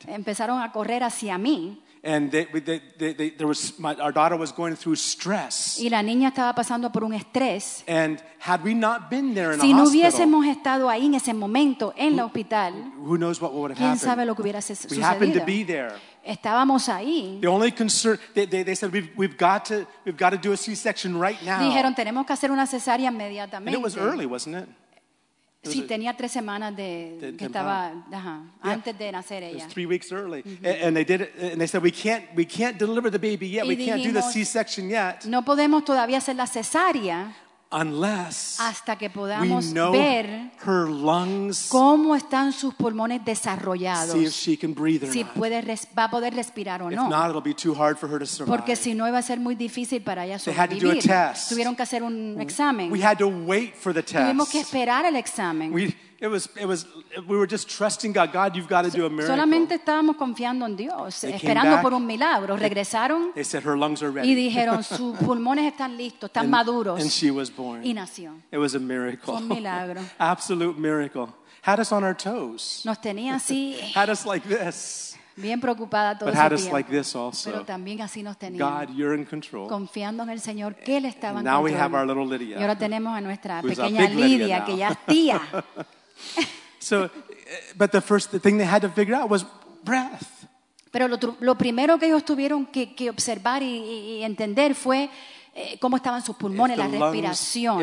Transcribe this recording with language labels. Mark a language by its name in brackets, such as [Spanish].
[Spanish] Empezaron a correr hacia mí. [English] And our daughter was going through stress. [Spanish] Y la niña estaba pasando por un estrés. [English] And had we not been there in [Spanish] si [English] a hospital, [Spanish] si no hubiésemos estado ahí en ese momento en el hospital, [English] who knows what would have [Spanish] quién [English] happened? [Spanish] Sabe lo que hubiera [English] we [Spanish] sucedido. [English] Happened to be there. [Spanish] Estábamos ahí. [English] The only concern they said we've got to do a C-section right now. [Spanish] Dijeron tenemos que hacer una cesárea inmediatamente. [English] And it was early, wasn't it? [Spanish] Sí, tenía tres semanas que estaba antes de nacer ella. [English] It was 3 weeks early. Mm-hmm. And they did it, and they said, we can't deliver the baby yet. [Spanish] Y [English] we [Spanish] dijimos, [English] can't do the C-section yet. [Spanish] No podemos todavía hacer la cesárea [English] unless [Spanish] hasta que podamos ver [English] her lungs, [Spanish] cómo están sus pulmones desarrollados. [English] See if she can breathe or [Spanish] si [English] not. [Spanish] Va a poder respirar o [English] if [Spanish] no. [English] If not, it'll be too hard for her to survive. [Spanish] Porque si no, iba a ser muy difícil para ella sobrevivir. [English] They had to do a test. [Spanish] Tuvieron que hacer un examen. [English] We had to wait for the test. [Spanish] Tuvimos que esperar el examen. [English] We, It was. We were just trusting God. God, you've got to do a miracle. [Spanish] Solamente estábamos confiando en Dios, [English] they [Spanish] esperando por un milagro. Regresaron. [English] They said her lungs are ready. [Spanish] Y dijeron sus pulmones están listos, están maduros. [English] And she was born. [Spanish] Y nació. [English] It was a miracle. [Spanish] Un milagro. [English] Absolute miracle. Had us on our toes. [Spanish] Nos tenía así. [English] Had us like this. [Spanish] Bien preocupada todo [English] but had us like this also. [Spanish] Pero también así nos tenía. [English] God, you're in control. [Spanish] Confiando en el Señor que él estaba en control. [English] Now we have our little Lydia. [Spanish] Y ahora tenemos a nuestra pequeña Lidia que ya es tía. [English] So, but the first the thing they had to figure out was breath. [Spanish] Pero lo primero que ellos tuvieron que observar y entender fue cómo estaban sus pulmones, la respiración.